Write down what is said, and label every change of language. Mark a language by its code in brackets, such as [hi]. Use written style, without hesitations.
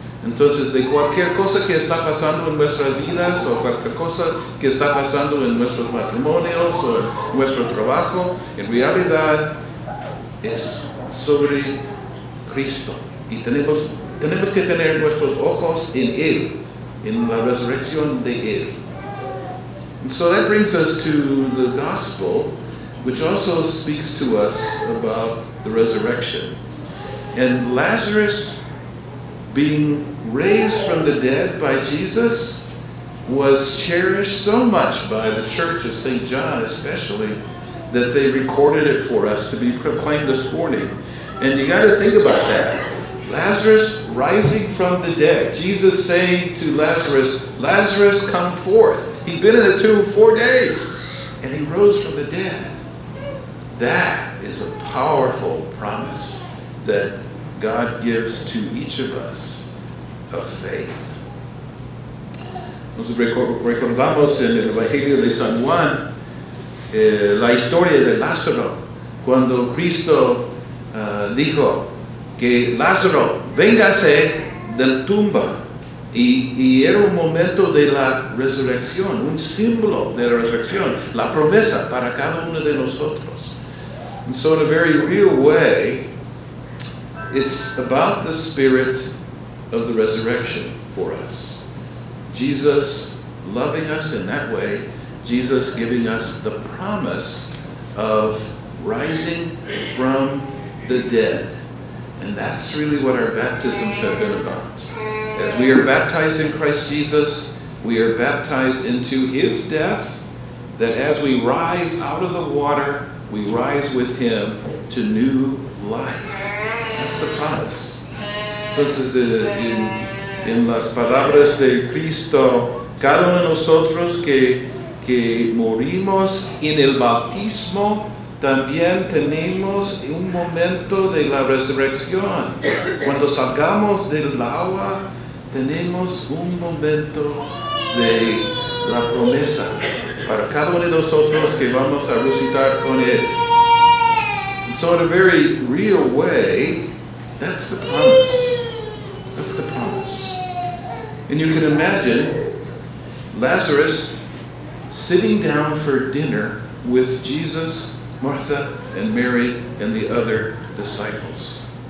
[es] Entonces, de cualquier cosa que está pasando en nuestras vidas o cualquier cosa que está pasando en nuestros matrimonios o en nuestro trabajo, en realidad es sobre Cristo. Y tenemos que tener nuestros ojos en Él, en la resurrección de Él. [en] And so that brings us to the gospel, which also speaks to us about the resurrection. And Lazarus being raised from the dead by Jesus was cherished so much by the Church of St. John especially, that they recorded it for us to be proclaimed this morning. And you got to think about that. Lazarus rising from the dead. Jesus saying to Lazarus, Lazarus, come forth. He'd been in the tomb 4 days. And he rose from the dead. That is a powerful promise that God gives to each of us of faith. [es] Nos recordamos en el Evangelio de San Juan la historia de Lázaro, cuando Cristo dijo que Lázaro, véngase del tumba. Y era un momento de la resurrección, un símbolo de la resurrección, la promesa para cada uno de nosotros. [en] And so in a very real way, it's about the spirit of the resurrection for us. Jesus loving us in that way, Jesus giving us the promise of rising from the dead. And that's really what our baptisms have been about. As we are baptized in Christ Jesus, we are baptized into his death, that as we rise out of the water, we rise with him to new life. That's the promise. [es] Entonces, en las palabras de Cristo, cada uno de nosotros que morimos en el bautismo, también tenemos un momento de la resurrección. Cuando salgamos del agua, tenemos un momento de la promesa para cada uno de nosotros que vamos a resucitar con él. [en] And so in a very real way, that's the promise. That's the promise. And you can imagine Lazarus sitting down for dinner with Jesus, Martha, and Mary, and the other disciples.